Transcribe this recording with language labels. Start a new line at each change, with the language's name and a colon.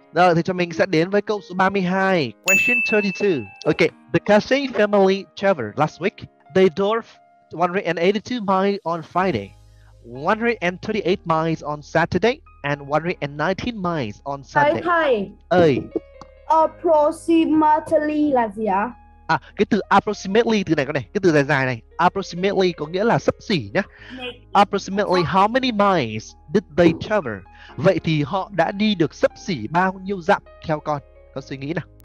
Vietnamese: Rồi, thì cho mình sẽ đến với câu số 32.
English: Question 32. Okay, the Cassie family traveled last week. They drove 182 miles on Friday, 138 miles on Saturday, and 119 miles on
Vietnamese: Thầy,
English: Sunday.
Vietnamese: thầy, Ơi. approximately là gì ạ? À? À, cái từ approximately, từ này con này, cái từ dài dài này, approximately có nghĩa là xấp xỉ nhá.
English: Approximately how many miles did they travel?
Vietnamese: Vậy thì họ đã đi được xấp xỉ bao nhiêu dặm theo con? Con suy nghĩ nào.